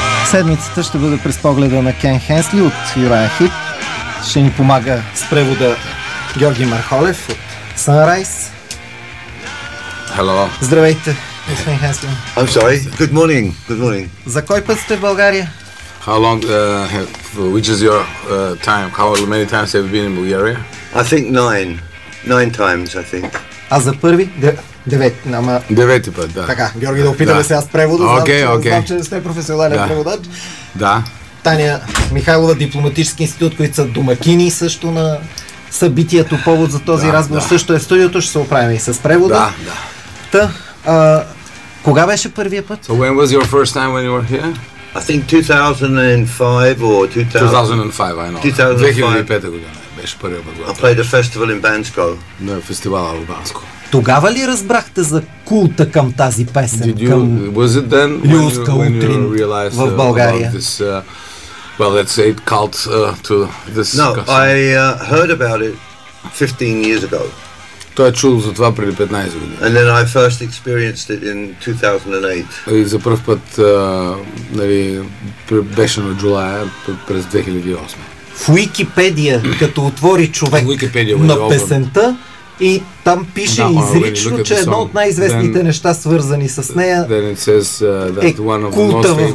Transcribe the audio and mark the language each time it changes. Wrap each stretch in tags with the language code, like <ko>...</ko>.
<bg>Седмицата ще бъде през погледа на Кен Хенсли от Юрая Хип. Ще ни помага с превода Георги Мархолев от Sunrise.</bg> <en>Hello.</en> <bg>Здравейте, господин Хенсли.</bg> <en>I'm sorry. Good morning. Good morning.</en> <bg>За кой път сте в България?</bg> <en>How long, which is your time? How many times have you been in Bulgaria? I think nine times, I think.</en> <bg>А за първи? Девети път, да. Така, Георги, да опитаме сега с превода. Окей, окей. Знам, че не сте професионален преводач. Да. Таня Михайлова, Дипломатически институт, които са домакини също на събитието, повод за този разговор. Също е студиото, ще се оправим и с превода. Да, да. Та, кога беше първия път?</bg> <en>So when was your first time when you were here? I think 2005 or 2005, I know.</en> <bg>2005 година беше първия път.</bg> <en>I played a festival in Bansko.</en> <bg>No, фестивала в Банско. Тогава ли разбрахте за култа към тази песен?</bg> <en>Did you, was it then when you realized</en> <bg>в България?</bg> <en>This, well, let's say cult to this. No, I heard about it 15 years ago.</en> <bg>Той е чул за това преди 15 години.</bg> <en>And then I first experienced it in 2008.</en> <bg>И за първ път нали, беше на джулая през 2008. В Уикипедия, като отвори човек на песента, И там пише изрично, че едно от най-известните неща, свързани с нея, е култа в</bg>